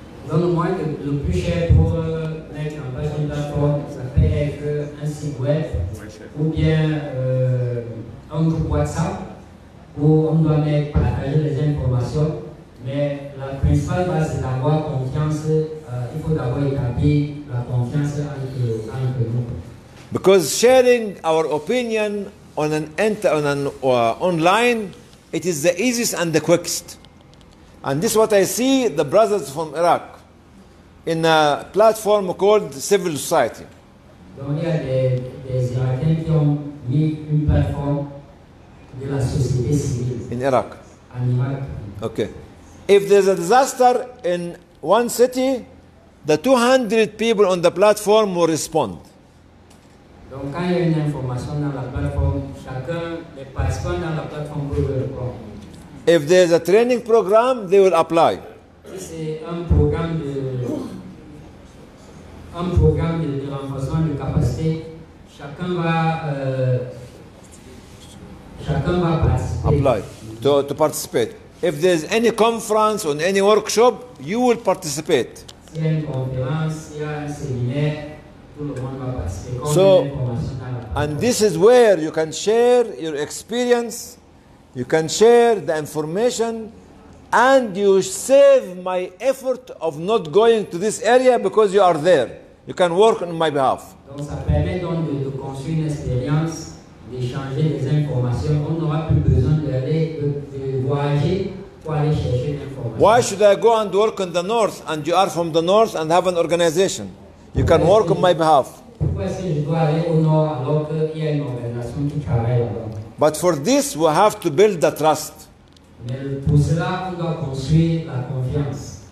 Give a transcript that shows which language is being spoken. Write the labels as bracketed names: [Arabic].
[French] Le plus cher pour mettre en place une plateforme, ça fait avec un site web ou bien un groupe WhatsApp où on doit mettre partager les informations. Mais la principale base, c'est d'avoir confiance. Il faut d'abord établir la confiance entre nous. [English] Because sharing our opinion online, it is the easiest and the quickest. And this is what I see the brothers from Iraq in a platform called Civil Society. [French] Donc il y a des qui ont mis une plateforme de la société civile. [English] In Iraq. [French] En Irak. [English] OK. If there's a disaster in one city, the 200 people on the platform will respond. [French] Donc quand il y a une information dans la plateforme, chacun des participants dans la plateforme peut répondre. [English] If there's a training program, they will apply. [French] Si c'est un programme de renforcement de capacité, chacun va participer. [English] Apply to participate. If there's any conference or any workshop, you will participate. [French] S'il y a une conférence, s'il y a un séminaire, tout le monde va participer. [English] So, and this is where you can share your experience, you can share the information, and you save my effort of not going to this area because you are there. You can work on my behalf. [French] Donc ça permet donc de construire une expérience, d'échanger des informations. On n'aura plus besoin de voyager pour aller chercher des informations. [English] Why should I go and work in the north and you are from the north and have an organization? You can work on my behalf. [French] Pourquoi est-ce que je dois aller au nord alors qu'il y a une organisation qui travaille là-bas? [English] But for this, we have to build the trust. [French] Mais pour cela, on doit construire la confiance.